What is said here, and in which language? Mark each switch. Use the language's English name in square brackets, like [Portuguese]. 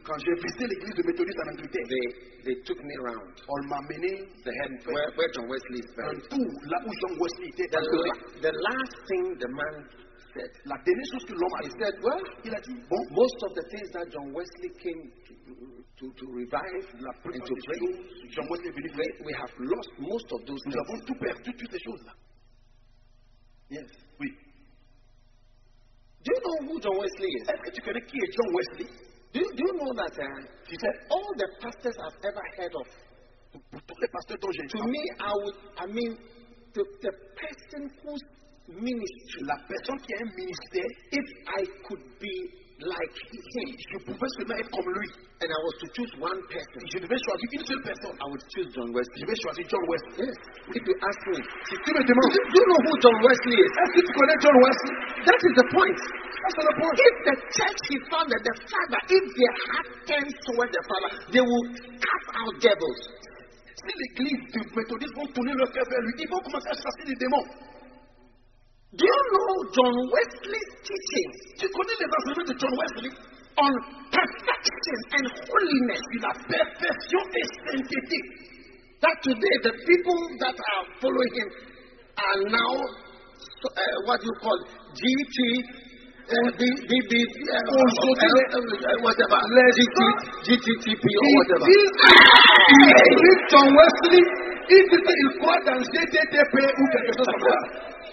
[French] Quand j'ai visité l'église de Méthodiste en Angleterre. [English] They took me around. [French] On m'a mené. [English] The head where John Wesley is buried. [French] Un tour là où John Wesley était. [English] The last thing the man. [French] La dernière chose que l'homme a dit, [English] well, [French] il a dit, [English] bon, most of the things that John Wesley came to revive [French] la [English] and to pray, John Wesley believed, we have lost most of those things. [French] Nous avons tout perdu, toutes ces choses-là. [English] Yes. [French] Oui. [English] Do you know who John Wesley is? [French] Est-ce que tu connais qui est John Wesley? [English] Do you know that he said, all the pastors I've ever heard of, [French] tous les pasteurs dont j'ai [English] to me, the person who's ministry. [French] La personne qui a un ministère, [English] if I could be like him, [French] je pouvais seulement être comme lui, [English] and I was to choose one person, [French] je devais choisir une seule personne, [English] I would choose John Wesley. [French] Je devais choisir John Wesley. [English] Yes. If you ask me, [French] si tu me demandes, [English] do you know who John Wesley is? [French] Est-ce que tu connais John Wesley? [English] That is the point. That's the point. If the church he founded, the Father, if their heart turns towards the Father, they will cast out devils. [French] Si l'église du méthodisme vont tourner leur cœur vers lui, ils vont commencer à chasser les démons. [English] Do you know John Wesley's teachings? [French] Tu connais les enseignements de John Wesley [English] on perfection and holiness, [French] la perfection et sainteté. [English] That today the people that are following him are now what do you call GT and whatever. GTTP or whatever. [French] John Wesley, il disait il croit dans GTTP ou quelque chose comme ça.